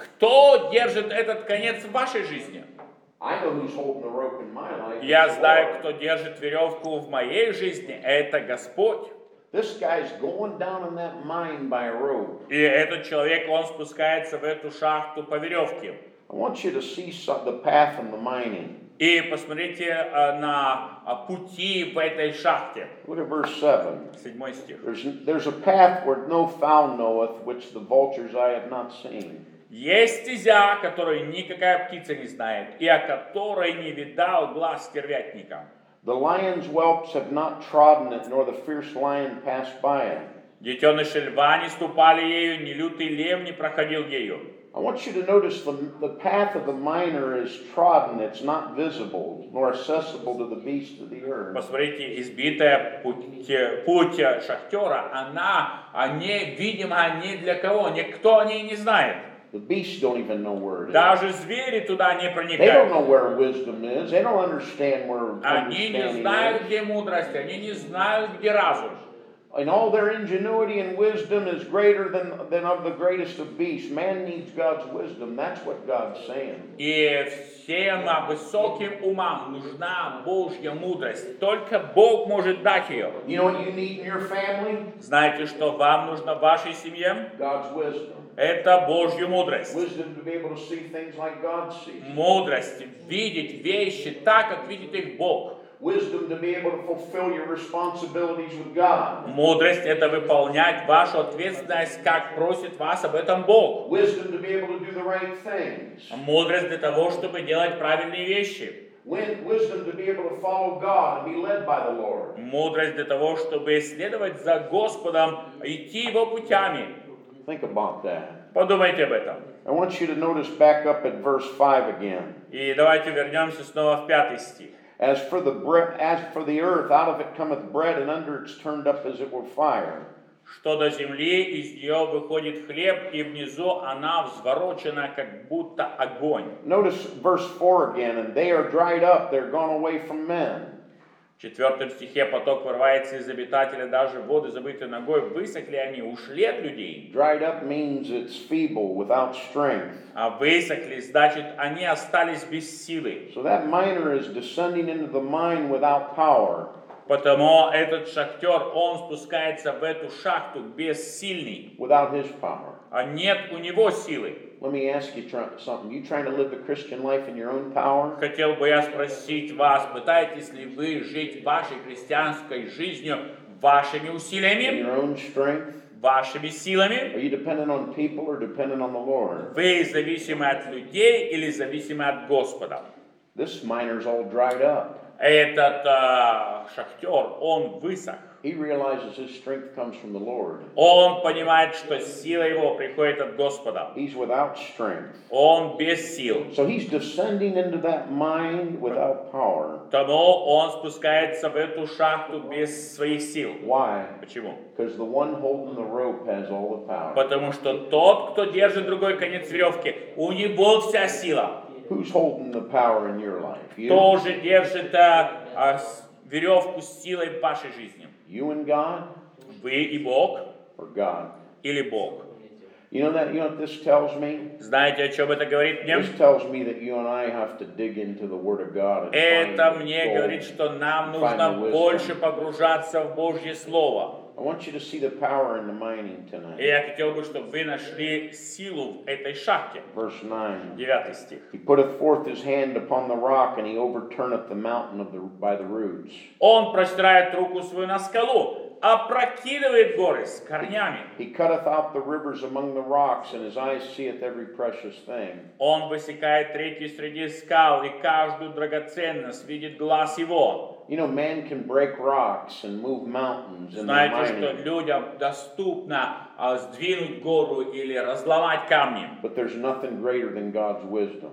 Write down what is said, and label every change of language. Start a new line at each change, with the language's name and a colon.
Russian: Кто держит этот конец в вашей жизни?
English: I know who's holding the rope in my life.
Russian: Я знаю, кто держит веревку в моей жизни. Это Господь.
English: This guy's going down in that mine by a rope.
Russian: И этот человек, он спускается в эту шахту по веревке.
English: I want you to see the path in the mining.
Russian: И посмотрите на пути в этой шахте.
English: Look at verse 7.
Russian: Седьмой стих.
English: There's a path where no fowl knoweth, which the vultures I have not seen.
Russian: Есть стезя, которую никакая птица не знает, и о которой не видал глаз стервятника.
English: The lion's whelps have not trodden it, nor the fierce lion passed by it.
Russian: Детеныши льва не ступали ею, ни лютый лев не проходил ею.
English: I want you to notice the path of the miner is trodden, it's not visible, nor accessible to the beast of the earth.
Russian: Посмотрите, избитая путь шахтера, она не видима ни для кого, никто о ней не знает.
English: The beasts don't even know where it is.
Russian: Даже звери туда не проникают.
English: They don't know where wisdom is. They don't understand where understanding is.
Russian: Они не знают, где мудрость, они не знают, где разум.
English: And all their ingenuity and wisdom is greater than of the greatest of beasts. Man needs God's wisdom. That's what God's saying.
Russian: И всем высоким умам нужна Божья мудрость. Только Бог может дать ее.
English: You know what you need in your family?
Russian: Знаете, что вам нужно в вашей семье?
English: God's wisdom.
Russian: Это Божья мудрость.
English: Wisdom to be able to see things like God sees.
Russian: Мудрость видеть вещи так, как видит их Бог.
English: Wisdom to be able to fulfill your responsibilities with God.
Russian: Мудрость — это выполнять вашу ответственность, как просит вас об этом Бог.
English: Wisdom to be able to do the right things.
Russian: Мудрость для того, чтобы делать правильные вещи.
English: Wisdom to be able to follow God and be led by the Lord.
Russian: Мудрость для того, чтобы следовать за Господом, идти Его путями.
English: Think about that.
Russian: Подумайте об этом.
English: I want you to notice back up at verse 5 again.
Russian: И давайте вернемся снова в пятый стих.
English: As for the earth, out of it cometh bread, and under it's turned up as it were fire.
Russian: Что до земли, из нее выходит хлеб, и внизу она взворочена, как будто огонь.
English: Notice verse 4 again, and they are dried up, they're gone away from men.
Russian: В четвертом стихе поток вырывается из обитателя, даже воды забыты ногой, высохли они, ушли от людей.
English: Dried up means it's feeble, without strength.
Russian: А высохли, значит, они остались без силы.
English: So that miner is descending into the mine without power.
Russian: Потому этот шахтер, он спускается в эту шахту бессильный.
English: Without his power.
Russian: А нет у него силы.
English: Let me ask you something. You trying to live the Christian life in your own power?
Russian: Хотел бы я спросить вас, пытаетесь ли вы жить вашей христианской жизнью вашими усилиями?
English: In your own strength?
Russian: Вашими силами?
English: Are you dependent on people or dependent on the Lord?
Russian: Вы зависимы от людей или зависимы от Господа?
English: This miner's all dried up.
Russian: Этот шахтер, он высох.
English: He realizes his strength comes from the Lord.
Russian: Он понимает, что сила его приходит от Господа.
English: He's without strength.
Russian: Он без сил.
English: So he's descending into that mine without power.
Russian: Тому он спускается в эту шахту без своих сил.
English: Why?
Russian: Почему?
English: Because the one holding the rope has all the power.
Russian: Потому что тот, кто держит другой конец веревки, у него вся сила.
English: Who's holding the power in your life? You?
Russian: Кто же держит веревку с силой в вашей жизни?
English: You and God?
Russian: Вы и Бог?
English: Or God?
Russian: Или Бог?
English: You know that, you know what this tells me?
Russian: Знаете, о чем это говорит мне?
English: This tells me that you and I have to dig into the Word of God and find the wisdom.
Russian: Это мне говорит, что нам нужно больше погружаться в Божье Слово.
English: I want you to see the power in the mining tonight.
Russian: Я хотел бы, чтобы вы нашли силу в этой шахте.
English: Verse 9.
Russian: Девятый стих.
English: He putteth forth his hand upon the rock, and he overturneth the mountain by the roots.
Russian: Он простирает руку свою на скалу, опрокидывает горы с корнями.
English: He cutteth out the rivers among the rocks, and his eyes seeth every precious thing.
Russian: Он высекает реки среди скал, и каждую драгоценность видит глаз его.
English: You know, man can break rocks and move mountains in their mining.
Russian: Знаете, что людям доступно сдвинуть гору или разломать камни.
English: But there's nothing greater than God's wisdom.